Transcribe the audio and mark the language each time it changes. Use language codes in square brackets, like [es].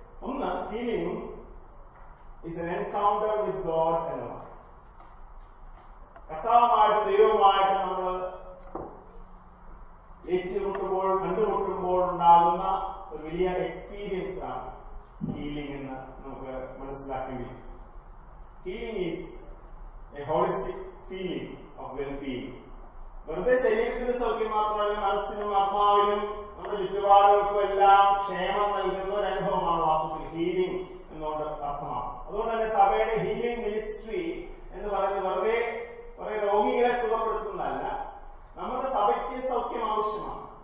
[ml] ഒന്ന്, [en] healing is an encounter with God [ml] എന്നാണ്. കർത്താവുമായിട്ട് ദൈവവുമായിട്ട് നമ്മൾ ഏറ്റുമുട്ടുമ്പോൾ കണ്ടുമുട്ടുമ്പോൾ ഉണ്ടാകുന്ന ഒരു വലിയ എക്സ്പീരിയൻസ് ആണ് ഹീലിംഗ് എന്ന് നമുക്ക് മനസ്സിലാക്കി. [en] Healing is a holistic feeling of well-being. [ml] വെറുതെ ശരീരത്തിന് സൗഖ്യം മാത്രമല്ല, മനസ്സിനും ആത്മാവിനും നമ്മുടെ ചുറ്റുപാടുകൾക്കും എല്ലാം ക്ഷേമം നൽകുന്ന ഒരു അനുഭവമാണ് വാസ്തവത്തിൽ ഹീലിംഗ് എന്നുള്ള അർത്ഥമാണ്. അതുകൊണ്ട് തന്നെ സഭയുടെ ഹീലിംഗ് മിനിസ്ട്രി എന്ന് പറയുന്നത് വെറുതെ കുറെ രോഗികളെ സുഖപ്പെടുത്തുന്നതല്ല, നമ്മുടെ സഭയ്ക്ക് സൗഖ്യം ആവശ്യമാണ്.